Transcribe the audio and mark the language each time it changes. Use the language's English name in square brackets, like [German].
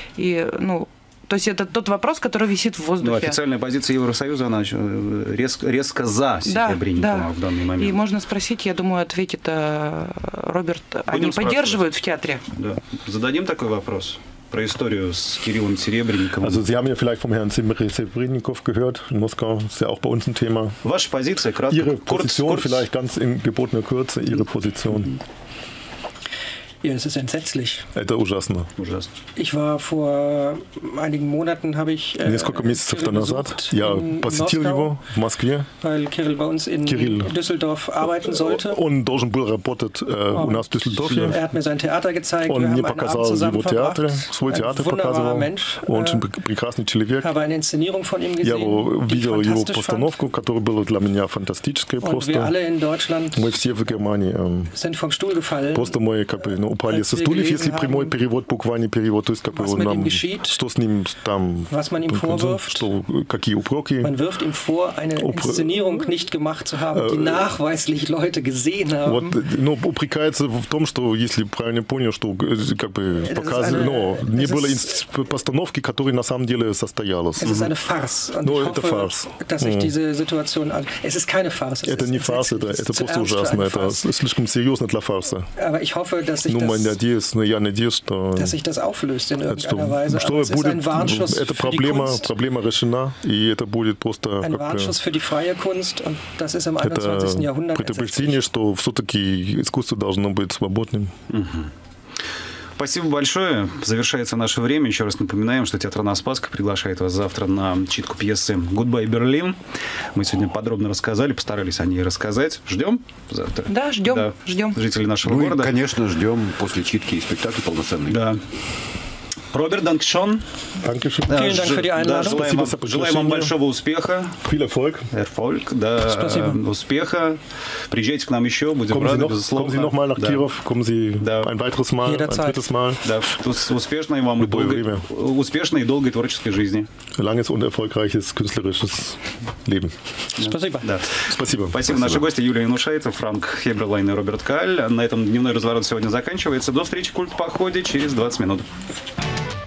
[Russian] И, ну, то есть это тот вопрос, который висит в воздухе. Ну, официальная позиция Евросоюза, она резко за Серебренникова, да, в данный момент. И можно спросить, я думаю, ответит Роберт, они поддерживают в театре? Да. Зададим такой вопрос. про историю с Кириллом Серебренниковым. [German] Also, Sie haben ja vielleicht vom Herrn Серебренников gehört in Moskau. Ist ja auch bei uns ein Thema. [Russian] Ваша позиция, кратко. [German] Ihre Position, kurz, vielleicht ganz in gebotener Kürze, Ihre Position. Ja, es ist entsetzlich. [Russian] Это ужасно. [German] Ich war vor einigen Monaten, habe ich [Russian] несколько месяцев назад я посетил его в Москве, [German] weil Кирилл bei uns in Düsseldorf arbeiten sollte. [Russian] Он должен был работать у нас в Düsseldorf. [German] Er hat mir sein Theater gezeigt. [Russian] Он мне показал его театр, свой театр показывал. Он очень прекрасный человек. [German] Habe eine Inszenierung von ihm gesehen. [Russian] Я видел его постановку, которая была для меня фантастической просто. [German] Wir alle in Deutschland. [Russian] Мы все в Германии. [German] Sind vom Stuhl gefallen. [Russian] Просто мои капли. Ну, упали со стульев, если haben, прямой перевод, буквальный перевод, то есть как он нам, geschieht, что с ним там, [German] was man ihm vorwirft, [Russian] что, какие упреки. [German] Man wirft ihm vor, eine Inszenierung nicht gemacht zu haben, die nachweislich Leute gesehen haben. [Russian] Вот, ну, упрекается в том, что, если правильно понял, что как бы показывали, но не было постановки, которая на самом деле состоялась. [German] Это eine Farce. [Russian] Но это фарс. [German] Es ist keine Farce. [Russian] Это не фарс, это просто ужасно. Это слишком серьезно для фарса. [German] Aber ich hoffe, dass [Russian] ну, [German] das, [Russian] я надеюсь, что... Что это будет... Это проблема решена, и это будет просто... [German] Как, für die freie Kunst, und das ist im 21. Jahrhundert [Russian] это предупреждение, что все-таки искусство должно быть свободным. Спасибо большое. Завершается наше время. Еще раз напоминаем, что театр на Спасской приглашает вас завтра на читку пьесы «Goodbye, Berlin». Мы сегодня подробно рассказали, постарались о ней рассказать. Ждем завтра? Да, ждем. Да. Ждем. Жители нашего города. И, конечно, ждем после читки и спектакля полноценный. Да. Роберт, Данкшон. Данкшон. Спасибо. Желаем вам большого успеха. [German] Viel Erfolg. Erfolg, да. [Russian] Спасибо. Успеха. Приезжайте к нам еще, будем [German] kommen [Russian] рады, [German] Sie noch, [Russian] безусловно. [German] Kommen Sie noch mal nach Kirov, kommen Sie ein weiteres Mal, ein drittes Mal. [Russian] Да. Успешной вам успешной и долгой творческой жизни. [German] Langes und erfolgreiches künstlerisches Leben. [Russian] Спасибо. Да. Спасибо. Спасибо. Наши гости Юлия Янушайте, Франк Хеберлайн и Роберт Каль. На этом дневной разворот сегодня заканчивается. До встречи в культ-походе через 20 минут. [English] We'll be right back.